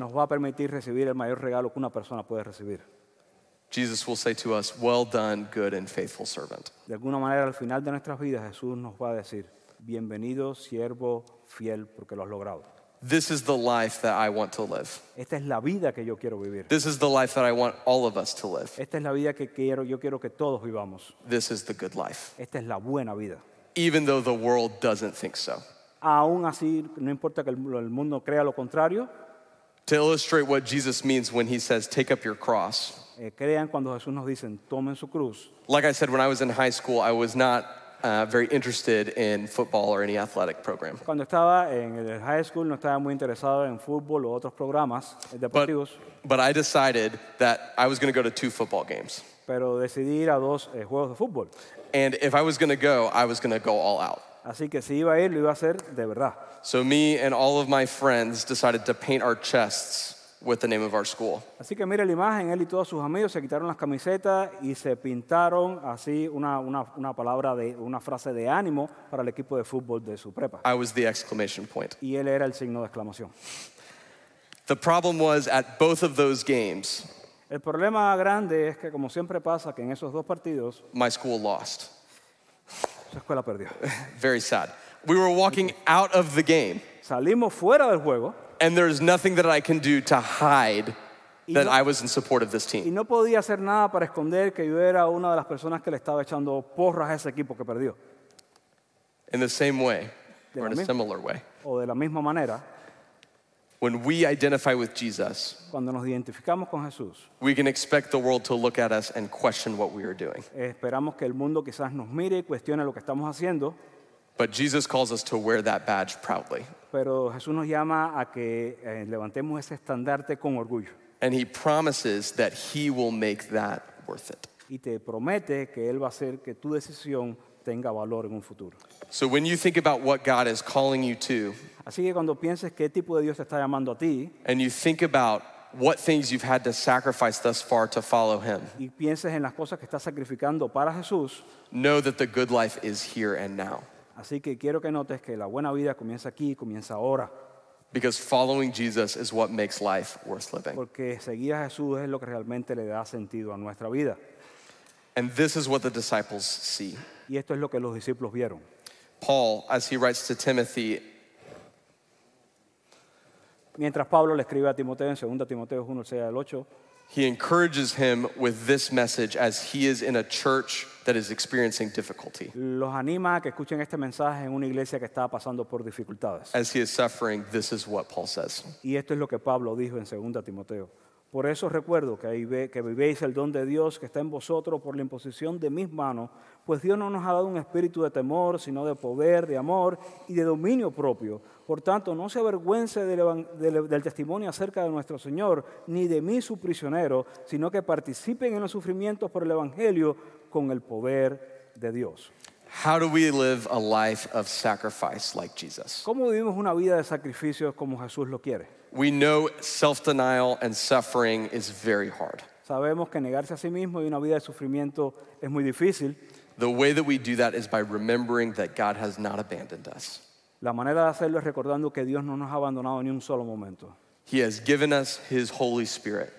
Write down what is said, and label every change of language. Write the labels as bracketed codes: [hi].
[es] Nos va a permitir recibir el mayor regalo que una persona puede recibir. [en] Jesus will say to us, "Well done, good and faithful servant." [es] De alguna manera al final de nuestras vidas Jesús nos va a decir, "Bienvenido, siervo fiel, porque lo has logrado." [en] This is the life that I want to live. [es] Esta es la vida que yo quiero vivir. [en] This is the life that I want all of us to live. [es] Esta es la vida que quiero, yo quiero que todos vivamos. [en] This is the good life. [es] Esta es la buena vida. [en] Even though the world doesn't think so. [es] Aún así, no importa que el mundo crea lo contrario. [en] To illustrate what Jesus means when he says, "Take up your cross." [es] Crean cuando Jesús nos dice, "Tomen su cruz." [en] Like I said, when I was in high school, I was not very interested in football or any athletic program. [es] Cuando estaba en el high school, no estaba muy interesado en fútbol o otros programas deportivos. [en] But I decided that I was going to go to 2 football games. [es] Pero decidí ir a 2 juegos de fútbol. [en] And if I was going to go, I was going to go all out. [es] Así que si iba a ir, lo iba a hacer de verdad. [en] So me and all of my friends decided to paint our chests with the name of our school. [es] Así que mire la imagen, él y todos sus amigos se quitaron las camisetas y se pintaron así una palabra de una frase de ánimo para el equipo de fútbol de su prepa. [en] I was the exclamation point. [es] Y él era el signo de exclamación. [en] The problem was at both of those games. [es] El problema grande es que como siempre pasa que en esos dos partidos [en] my school lost. [es] Su escuela perdió. [en] Very sad. We were walking out of the game. [es] Salimos fuera del juego. [en] And there's nothing that I can do to hide that I was in support of this team. [es] Y no podía hacer nada para esconder que yo era una de las personas que le estaba echando porras a ese equipo que perdió. [en] In the same way, or in a similar way. [es] O de la misma manera. [en] When we identify with Jesus, [es] cuando nos identificamos con Jesús, [en] we can expect the world to look at us and question what we are doing. [es] Esperamos que el mundo quizás nos mire y cuestione lo que estamos haciendo. [en] But Jesus calls us to wear that badge proudly. [es] Pero Jesús nos llama a que levantemos ese estandarte con orgullo. [en] And he promises that he will make that worth it. [es] y te promete que Él va a hacer que tu decisión tenga valor en un futuro. [en] So when you think about what God is calling you to, [es] así que cuando pienses qué tipo de Dios te está llamando a ti, [en] and you think about what things you've had to sacrifice thus far to follow Him, [es] y pienses en las cosas que estás sacrificando para Jesús, [en] know that the good life is here and now. [es] Así que quiero que notes que la buena vida comienza aquí, comienza ahora. [en] Because following Jesus is what makes life worth living. [es] Porque seguir a Jesús es lo que realmente le da sentido a nuestra vida. [en] And this is what the disciples see. [es] Y esto es lo que los discípulos vieron. [en] Paul, as he writes to Timothy, [es] mientras Pablo le escribe a Timoteo en 2 Timoteo 1, 6 al 8, [en] he encourages him with this message as he is in a church that is experiencing difficulty. [es] Los anima a que escuchen este mensaje en una iglesia que está pasando por dificultades. [en] As he is suffering, this is what Paul says. [es] Y esto es lo que Pablo dijo en 2 Timoteo. Por eso recuerdo que vivéis el don de Dios que está en vosotros por la imposición de mis manos, pues Dios no nos ha dado un espíritu de temor, sino de poder, de amor y de dominio propio. Por tanto, no se avergüence del testimonio acerca de nuestro Señor, ni de mí su prisionero, sino que participen en los sufrimientos por el Evangelio con el poder de Dios. [en] How do we live a life of sacrifice like Jesus? [es] ¿Cómo vivimos una vida de sacrificios como Jesús lo quiere? [en] We know self-denial and suffering is very hard. [es] Sabemos que negarse a sí mismo y una vida de sufrimiento es muy difícil. [en] The way that we do that is by remembering that God has not abandoned us. [es] La manera de hacerlo es recordando que Dios no nos ha abandonado ni un solo momento. [en] He has given us His Holy Spirit.